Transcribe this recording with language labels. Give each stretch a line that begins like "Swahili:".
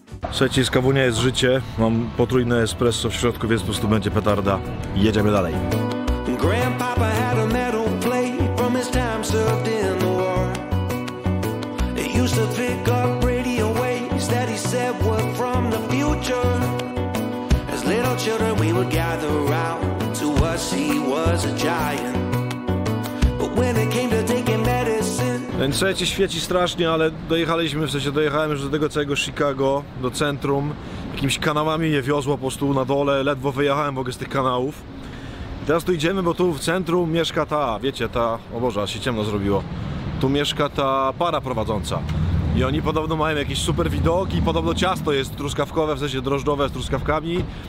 Polish: Słuchajcie, z kawunia jest życie, mam potrójne espresso w środku, więc po prostu będzie petarda. Jedziemy dalej.
English: Grandpapa had a metal plate from his time served in the war. It used to pick up radio waves that he said were from the future. As little children we would gather around to us, he was a giant. But when it came to taking medicine.
Polish: Ten trzeci świeci strasznie, ale dojechaliśmy, w sensie dojechałem już do tego całego Chicago, do centrum. Jakimiś kanałami je wiozło po prostu na dole, ledwo wyjechałem w ogóle z tych kanałów. I teraz tu idziemy, bo tu w centrum mieszka ta, wiecie, ta, o Boże, aż się ciemno zrobiło. Tu mieszka ta para prowadząca. I oni podobno mają jakiś super widok i podobno ciasto jest truskawkowe, w sensie drożdżowe z truskawkami.